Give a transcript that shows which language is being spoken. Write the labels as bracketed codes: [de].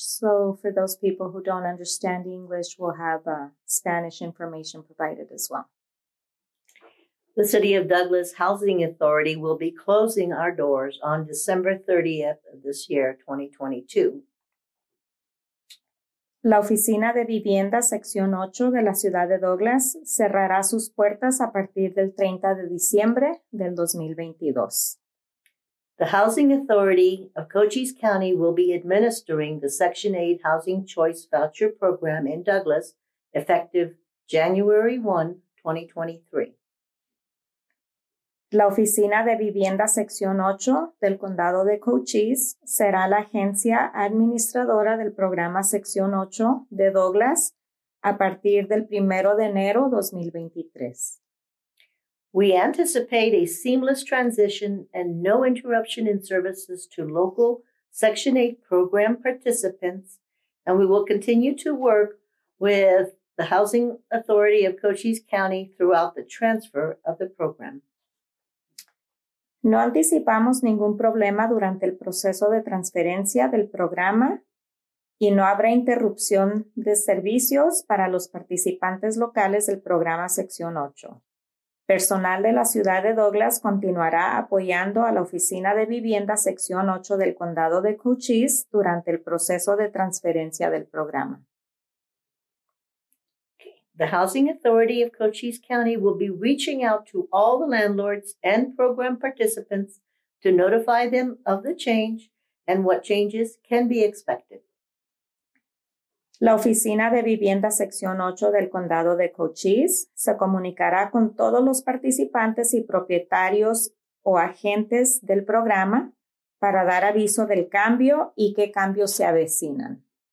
[en] So for those people who don't understand English, we'll have Spanish information provided as well. The City of Douglas Housing Authority will be closing our doors on December 30th of this year, 2022. [es] La Oficina de Vivienda Sección 8 de la Ciudad de Douglas cerrará sus puertas a partir del 30 de diciembre del 2022. [en] The Housing Authority of Cochise County will be administering the Section 8 Housing Choice Voucher Program in Douglas effective January 1, 2023. [es] La Oficina de Vivienda Sección 8 del Condado de Cochise será la agencia administradora del programa Sección 8 de Douglas a partir del 1 de enero 2023. [en] We anticipate a seamless transition and no interruption in services to local Section 8 program participants, and we will continue to work with the Housing Authority of Cochise County throughout the transfer of the program. [es] No anticipamos ningún problema durante el proceso de transferencia del programa, y no habrá interrupción de servicios para los participantes locales del programa Sección 8. Personal de la Ciudad de Douglas continuará apoyando a la Oficina de Vivienda Sección 8 del Condado de Cochise durante el proceso de transferencia del programa. [en] The Housing Authority of Cochise County will be reaching out to all the landlords and program participants to notify them of the change and what changes can be expected. [es] La Oficina de Vivienda Sección 8 del Condado de Cochise se comunicará con todos los participantes y propietarios o agentes del programa para dar aviso del cambio y qué cambios se avecinan.